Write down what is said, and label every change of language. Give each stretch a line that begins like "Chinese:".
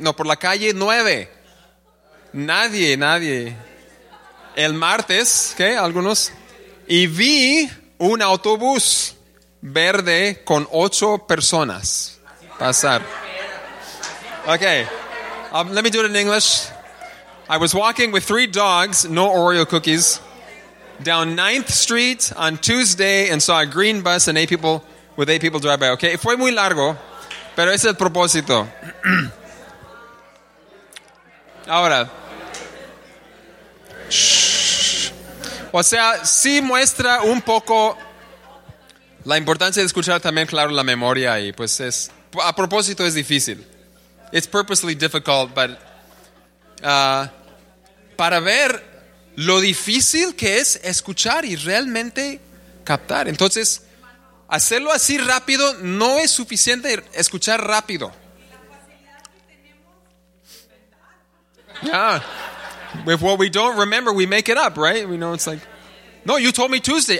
Spanish: No, por la calle nueve. Nadie, nadie. El martes, ¿qué? Algunos. Y vi un autobús verde con ocho personas pasar.
English: Okay. Let me do it in English. I was walking with three dogs, no Oreo cookies, down 9th Street on Tuesday and saw a green bus and eight people drive by. Okay.
Spanish: Fue muy largo, pero ese es el propósito. Ahora. O sea, sí muestra un poco la importancia de escuchar también, claro, la memoria. Y pues es, a propósito, es difícil.
English: It's purposely difficult, but
Spanish: para ver lo difícil que es escuchar y realmente captar. Entonces, hacerlo así rápido no es suficiente, escuchar rápido.
English: Yeah. If what we don't remember, we make it up, right? We know it's like, no, you told me Tuesday.